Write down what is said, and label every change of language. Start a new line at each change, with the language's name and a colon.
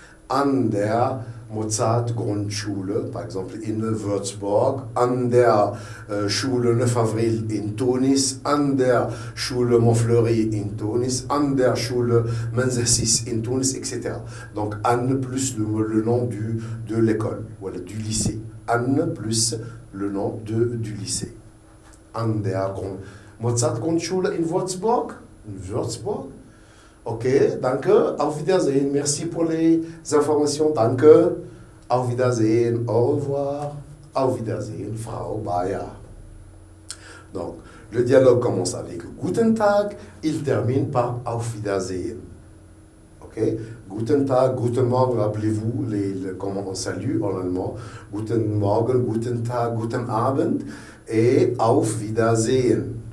German: An der Mozart Grundschule,
French: par exemple,
German: in Würzburg, an der Schule 9 avril in Tunis, an der Schule Montfleury in Tunis, an der Schule Manzessis in Tunis, etc.
French: Donc, an plus le nom de l'école, voilà, du lycée. An plus le nom du lycée.
German: An der Mozart Grundschule in Würzburg? In Würzburg? Ok, danke, auf Wiedersehen,
French: merci pour les informations,
German: danke, auf Wiedersehen,
French: au revoir,
German: auf Wiedersehen, Frau Bayer.
French: Donc, le dialogue commence avec Guten Tag, il termine par Auf Wiedersehen. Ok,
German: Guten Tag, Guten Morgen,
French: rappelez-vous comment on salue en allemand,
German: Guten Morgen, Guten Tag, Guten Abend, et Auf Wiedersehen.